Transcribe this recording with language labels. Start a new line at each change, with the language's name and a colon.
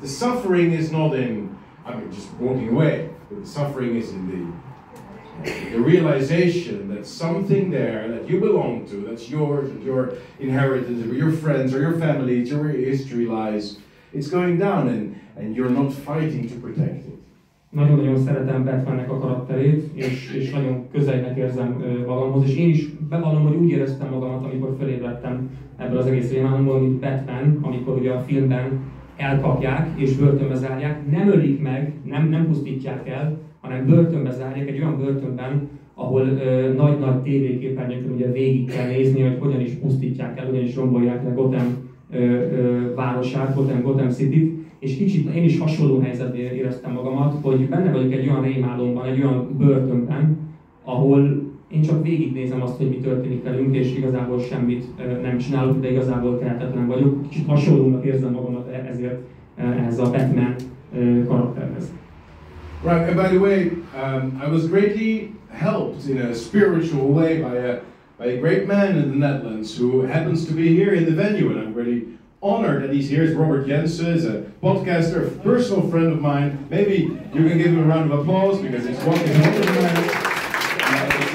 English: The suffering is not just walking away. But the suffering is in the realization that something there that you belong to, that's yours, and your inheritance, or your friends, or your family, it's your history lies, it's going down, and you're not fighting to protect it.
Hungarian: Nagyon-nagyon szeretem Batmannek a karakterét, és nagyon közelnek érzem magamhoz, és én is bevallom, hogy úgy éreztem magamat, amikor felébredtem ebből az egész rémálomból, mint Batman, amikor ugye a filmben elkapják és börtönbe zárják, nem ölik meg, nem pusztítják el, hanem börtönbe zárják, egy olyan börtönben, ahol nagy-nagy tévéképernyőkön ugye végig kell nézni, hogy hogyan is pusztítják el, hogyan is rombolják le Gotham városát, Gotham City-t. És kicsit én is hasonló helyzetben éreztem magamat, hogy benne vagyok egy olyan rémálomban, egy olyan börtönben, ahol én csak végignézem azt, hogy mi történik velünk, és igazából semmit nem csinálok, de igazából tehetetlen vagyok. Kicsit hasonlónak érzem magamat ezért ehhez a Batman karakterhez.
English: Right, and by the way, I was greatly helped in a spiritual way by a great man in the Netherlands who happens to be here in the venue, and I'm really honored that he's here. Is Robert Jensen, is a podcaster, a personal friend of mine. Maybe you can give him a round of applause because he's walking home with me.